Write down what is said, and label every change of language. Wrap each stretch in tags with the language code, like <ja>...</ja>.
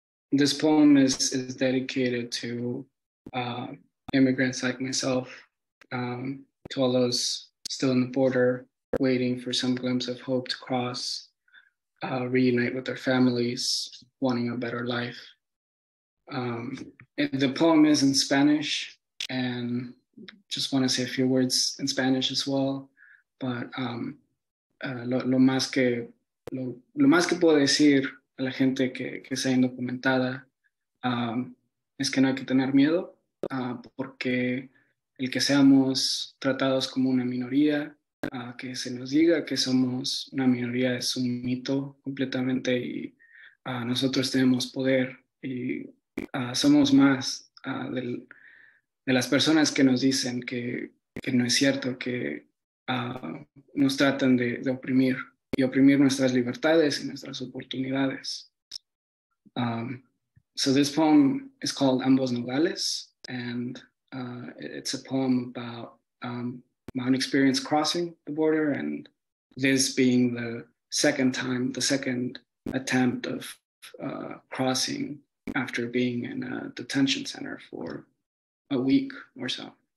<en>This poem is dedicated to immigrants like myself, to all those still on the border, waiting for some glimpse of hope to cross, reunite with their families, wanting a better life. The poem is in Spanish, and just want to say a few words in Spanish as well. But</en> <es>lo más que puedo decir a la gente que sea indocumentada es que no hay que tener miedo, porque el que seamos tratados como una minoría, que se nos diga que somos una minoría es un mito completamente y nosotros tenemos poder y somos más de las personas que nos dicen que no es cierto, que nos tratan de oprimir y oprimir nuestras libertades y nuestras oportunidades.</es> <en>So this poem is called Ambos Nogales and it's a poem about my own experience crossing the border and this being the second time, the second attempt of crossing after being in a detention center for a week or so.</en>